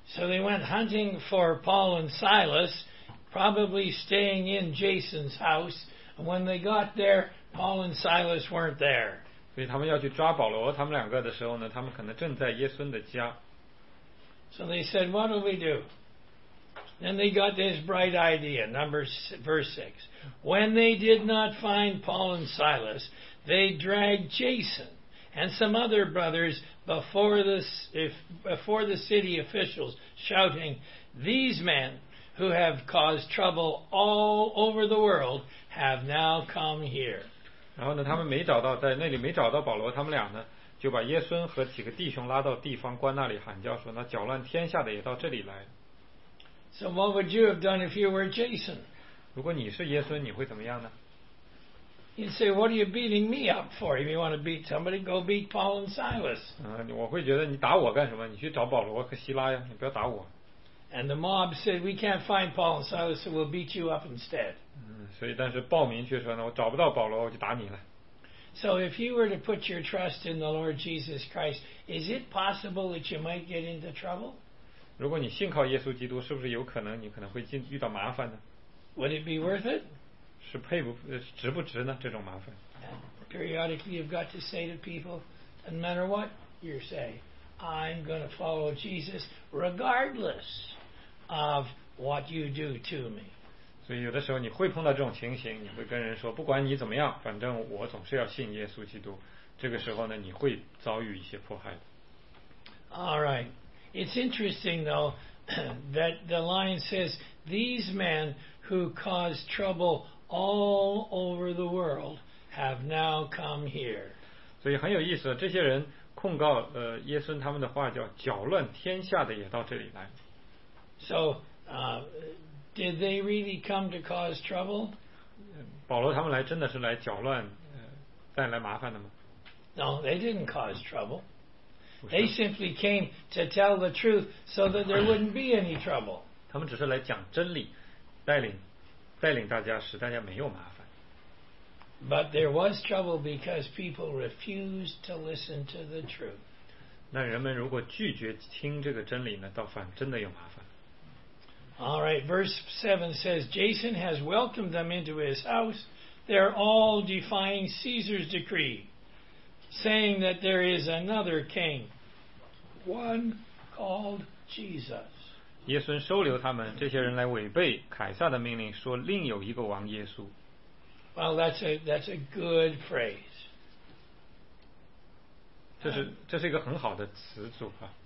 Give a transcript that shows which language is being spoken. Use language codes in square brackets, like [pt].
[en] So they went hunting for Paul and Silas, probably staying in Jason's house. And when they got there, Paul and Silas weren't there. [zh] 所以他们要去抓保罗他们两个的时候呢，他们可能正在耶孙的家。 [en] So they said, "What do we do?" Then they got this bright idea, verse 6. When they did not find Paul and Silas, they dragged Jason and some other brothers before the city officials, shouting, "These men who have caused trouble all over the world have now come here." [zh] 然后呢，他们没找到在那里没找到保罗，他们俩呢就把耶孙和几个弟兄拉到地方官那里喊叫说，那搅乱天下的也到这里来。 [en] So what would you have done if you were Jason? [zh] 如果你是耶孙，你会怎么样呢？ [en] You'd say, "What are you beating me up for? If you want to beat somebody, go beat Paul and Silas." [zh] 我会觉得你打我干什么？你去找保罗和希拉呀，你不要打我。 [en] And the mob said, "We can't find Paul and Silas, so we'll beat you up instead." [zh] 所以但是暴民却说呢，我找不到保罗，我就打你了。 [en] So if you were to put your trust in the Lord Jesus Christ, is it possible that you might get into trouble? [zh] 如果你信靠耶稣基督，是不是有可能你可能会遇到麻烦呢？ [en] Would it be worth it? [zh] 是配不值不值呢这种麻烦。 [en] Periodically you've got to say to people, no matter what you say, "I'm going to follow Jesus regardless of what you do to me." [zh] 所以有的时候你会碰到这种情形，你会跟人说，不管你怎么样，反正我总是要信耶稣基督。这个时候呢，你会遭遇一些迫害的。 [en] All right. It's interesting though that the line says, "These men who caused trouble all over the world have now come here." [zh] 所以很有意思，这些人控告耶孙他们的话叫搅乱天下的也到这里来。 [en] So, did they really come to cause trouble? [zh] 保罗他们来真的是来搅乱带来麻烦的吗？ [en] No, they didn't cause trouble. They simply came to tell the truth so that there wouldn't be any trouble. [zh] 他们只是来讲真理，带领大家使大家没有麻烦。 [en] But there was trouble because people refused to listen to the truth. [zh] 那人们如果拒绝听这个真理呢，倒反真的有麻烦。 [en] All right, verse 7 says, "Jason has welcomed them into his house. They're all defying Caesar's decree, saying that there is another king, one called Jesus." [zh] 耶孙收留他们，这些人来违背凯撒的命令，说另有一个王耶稣。 [en] Well, that's a good phrase. [zh] 这是一个很好的词组啊。